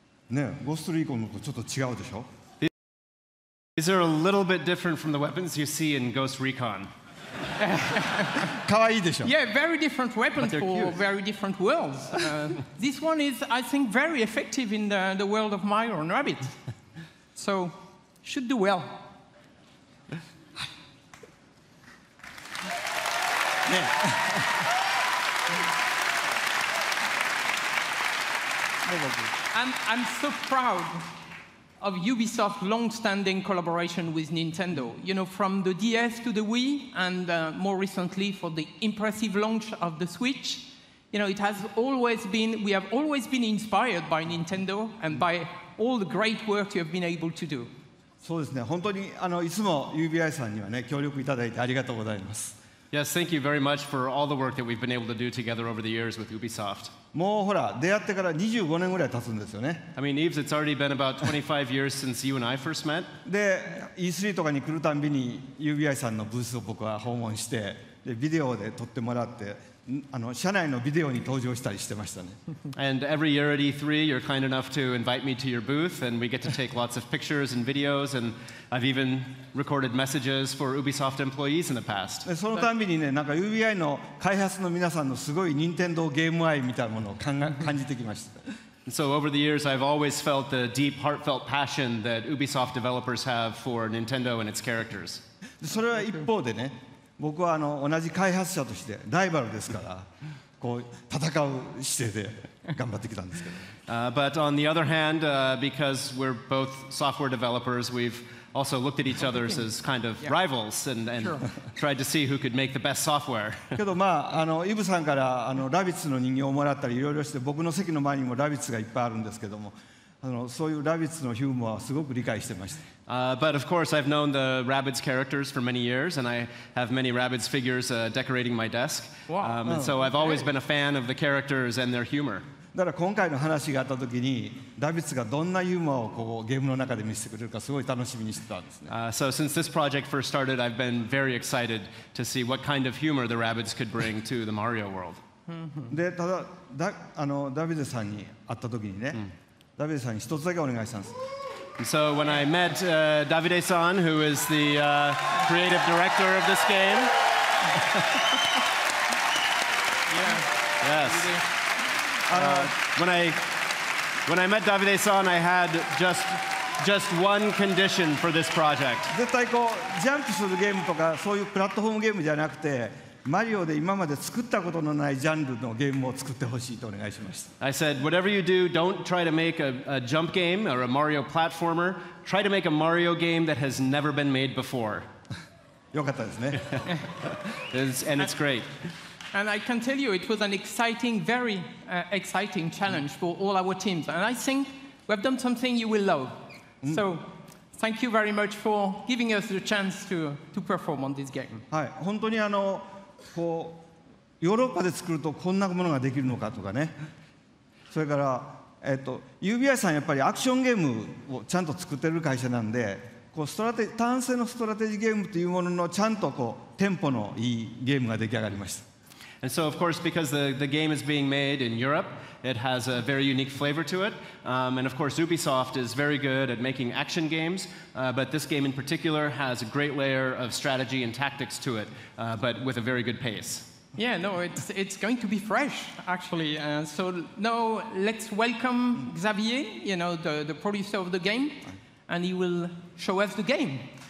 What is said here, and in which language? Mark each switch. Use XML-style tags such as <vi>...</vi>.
<ja>ね、ゴーストリコンのとちょっと違うでしょ?</ja> <en>These are a little bit different from the weapons you see in Ghost Recon.</en> <ja>かわいいでしょ?</ja> <en>Yeah, very different weapons for very different worlds. this one is, I think, very effective in the world of Mario and Rabbit. So, should do well.</en> <ja>ね。</ja> <en>I'm so proud of Ubisoft's long-standing collaboration with Nintendo. You know, from the DS to the Wii, and more recently for the impressive launch of the Switch, you know, it has always been, we have always been inspired by Nintendo and by all the great work you have been able to do.</en> <ja>そうですね。本当にあのいつも UBI さんにはね、協力いただいてありがとうございます。</ja> <en>Yes, thank you very much for all the work that we've been able to do together over the years with Ubisoft.</en> <ja>もうほら、出会ってから25年ぐらい経つんですよね。</ja> <en>I mean, Yves, it's already been about 25 years since you and I first met.</en> <ja>で、E3 とかに来るたんびに UBI さんのブースを僕は訪問して、で、ビデオで撮ってもらって、あの、社内のビデオに登場したりしてましたね。</ja> <en>And every year at E3, you're kind enough to invite me to your booth, and we get to take lots of pictures and videos, and I've even recorded messages for Ubisoft employees in the past.</en> <ja>そのたびにね、なんか UBI の開発の皆さんのすごい任天堂ゲーム愛みたいなものを感じてきました。</ja> <en>So over the years, I've always felt the deep, heartfelt passion that Ubisoft developers have for Nintendo and its characters.</en> <ja>それは一方でね、僕はあの同じ開発者としてライバルですから、こう戦う姿勢で頑張ってきたんですけど。</ja> <en>But on the other hand, because we're both software developers, we've also looked at each other as kind of rivals and tried to see who could make the best software.</en> <ja>けどまああのイブさんからあのラビッツの人形をもらったりいろいろして、僕の席の前にもラビッツがいっぱいあるんですけども。そういうラビッツのヒューモアはすごく理解してました。</ja> <en>But of course, I've known the Rabbids characters for many years, and I have many Rabbids figures decorating my desk. And so I've always been a fan of the characters and their humor.</en> <ja>だから今回の話があったときに、ラビッツがどんなユーモアをこうゲームの中で見せてくれるかすごい楽しみにしてたんですね。</ja> <en>So since this project first started, I've been very excited to see what kind of humor the Rabbids could bring to the Mario world.</en> <ja>で、ただ、ダビデさんに会ったときにね、ダビデさんに一つだけお願いします。</ja> <en>So when I met Davide-san, who is the creative director of this game, yes. When I met Davide-san, I had just one condition for this project.</en> <ja>絶対こうジャンプするゲームとかそういうプラットフォームゲームじゃなくて。マリオで今まで作ったことのないジャンルのゲームを作ってほしいとお願いしました。</ja> <en>I said, whatever you do, don't try to make a jump game or a Mario platformer. Try to make a Mario game that has never been made before.</en> <ja>よかったですね。</ja> <en>and it's great. And I can tell you, it was an exciting, very exciting challenge for all our teams. And I think we have done something you will love. So... Thank you very much for giving us the chance to perform on this game.</en> <ja>はい、本当にあのこうヨーロッパで作るとこんなものができるのかとかね。それから UBI さんやっぱりアクションゲームをちゃんと作ってる会社なんで、こうストラテジー単線のストラテジーゲームというもののちゃんとこうテンポのいいゲームが出来上がりました。</ja> <en>And so, of course, because the game is being made in Europe, it has a very unique flavor to it. And of course, Ubisoft is very good at making action games, but this game in particular has a great layer of strategy and tactics to it, but with a very good pace. Yeah, no, it's going to be fresh, actually. So now let's welcome Xavier, you know, the producer of the game, and he will show us the game.</en>